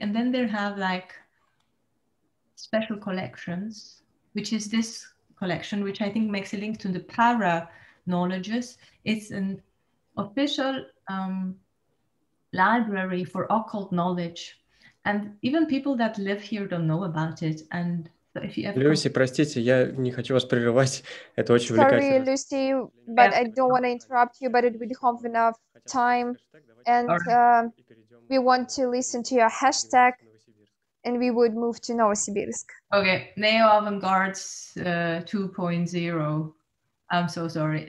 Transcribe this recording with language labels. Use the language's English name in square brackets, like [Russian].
[English] And then they have like special collections, which is this collection, which I think makes a link to the para knowledges. It's an official library for occult knowledge. And even people that live here don't know about it. And so if you ever... [Russian] Люси, простите, я не хочу вас прерывать. Это очень увлекательно. [English] Sorry, Люси, but I don't want to interrupt you, but it would have enough time. And we want to listen to your hashtag, and we would move to Novosibirsk. Okay, Neo-Avant-Garde 2.0. I'm so sorry.